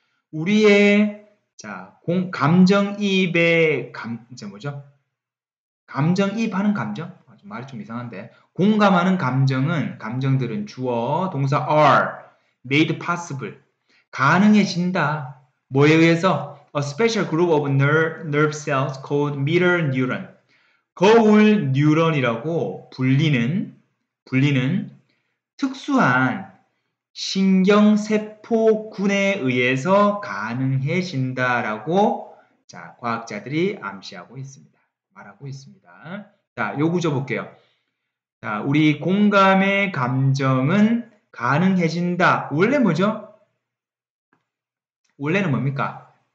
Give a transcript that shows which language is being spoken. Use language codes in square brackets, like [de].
[ko] 우리의 자, 감정이입의 감정이입하는 감정? 말이 좀 이상한데. 공감하는 감정은, 감정들은 주어, 동사 [en] are, made possible, [ko] 가능해진다. 뭐에 의해서? [en] A special group of nerve cells called mirror neuron. [ko] 거울 뉴런이라고 불리는 특수한 신경세포군에 의해서 가능해진다라고, 자, 과학자들이 암시하고 있습니다. 말하고 있습니다. 자, 요 구조 볼게요. 자, 우리 공감의 감정은 가능해진다. 원래 뭐죠? 원래는 뭡니까?